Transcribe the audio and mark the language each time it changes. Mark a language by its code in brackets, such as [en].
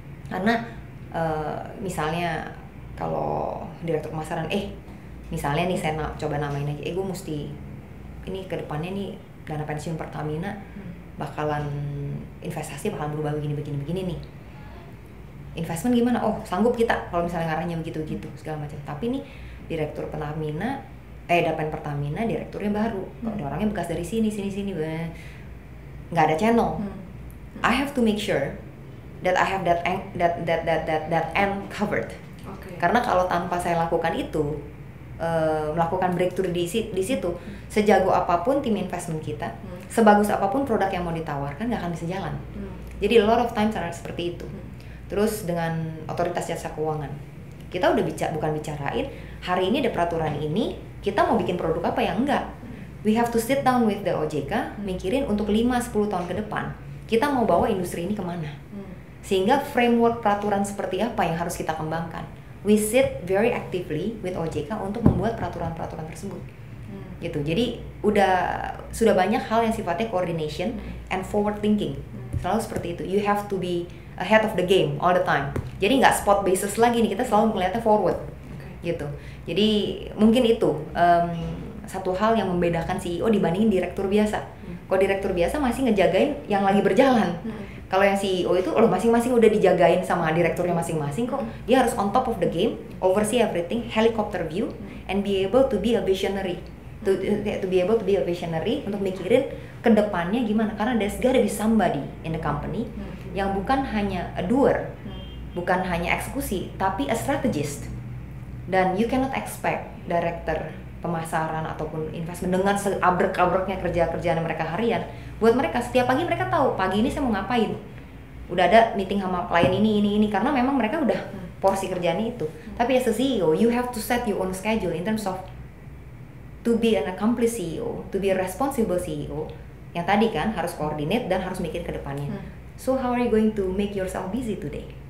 [id] Karena misalnya kalau direktur pemasaran, misalnya nih saya coba namain aja, gue mesti ini ke depannya nih dana pensiun Pertamina bakalan investasi bakalan berubah begini nih. Investment gimana? Oh, sanggup kita kalau misalnya ngarahnya begitu segala macam. Tapi nih direktur Pertamina, dapen Pertamina direkturnya baru. Orangnya bekas dari sini. Enggak ada channel. [en] I have to make sure that I have that end covered. [id] Karena kalau tanpa saya lakukan itu, melakukan breakthrough di situ, sejago apapun tim investment kita, sebagus apapun produk yang mau ditawarkan, nggak akan bisa jalan. Jadi [en] a lot of times [id] adalah seperti itu. Terus dengan otoritas jasa keuangan, kita udah bicarain hari ini ada peraturan ini, kita mau bikin produk apa, yang enggak. [en] We have to sit down with the OJK, [id] mikirin untuk 5-10 tahun ke depan kita mau bawa industri ini kemana, sehingga framework peraturan seperti apa yang harus kita kembangkan. [en] We sit very actively with OJK [id] untuk membuat peraturan-peraturan tersebut. Gitu. Jadi sudah banyak hal yang sifatnya [en] coordination and forward thinking. [id] Selalu seperti itu. [en] You have to be ahead of the game all the time. [id] Jadi nggak spot basis lagi nih, kita selalu melihatnya forward. Gitu. Jadi mungkin itu satu hal yang membedakan CEO dibandingin direktur biasa. Kalau direktur biasa masih ngejagain yang lagi berjalan. Kalau yang CEO itu loh, masing-masing udah dijagain sama direkturnya masing-masing kok. Dia harus [en] on top of the game, oversee everything, helicopter view, and be able to be a visionary. To be able to be a visionary [id] untuk mikirin ke depannya gimana. [en] Karena there's gotta be somebody in the company [id] yang bukan hanya [en] a doer, [id] bukan hanya eksekusi, tapi [en] a strategist. [id] Dan [en] you cannot expect [id] director pemasaran ataupun investment dengan seabrek-abreknya kerja-kerjaan mereka harian, buat mereka setiap pagi mereka tahu pagi ini saya mau ngapain. Udah ada meeting sama klien ini karena memang mereka udah porsi kerjaan itu. Tapi [en] as a CEO, you have to set your own schedule in terms of to be an accomplished CEO, to be a responsible CEO. [id] Yang tadi kan harus [en] coordinate [id] dan harus mikir ke depannya. [en] So how are you going to make yourself busy today?